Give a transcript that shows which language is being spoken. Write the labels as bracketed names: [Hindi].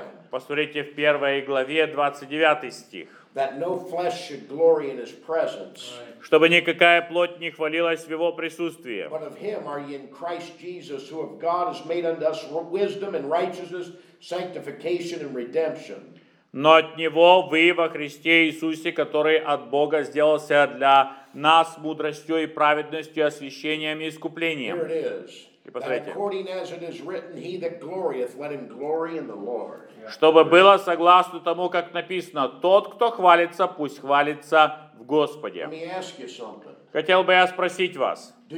[Russian] Посмотрите в 1 главе 29 стих. [English] That no flesh should glory in his presence. [Russian] Чтобы никакая плоть не хвалилась в его присутствии. [English] But of him are ye in Christ Jesus, who of God has made unto us wisdom and righteousness, sanctification and redemption. [Russian] Но от него вы во Христе Иисусе, который от Бога сделался для нас мудростью и праведностью, освящением и искуплением. [English] Here it is. [Russian] И посмотрите. [English] According as it is written, he that glorieth, let him glory in the Lord. [Russian] Чтобы было согласно тому, как написано, тот, кто хвалится, пусть хвалится в Господе. Хотел бы я спросить вас.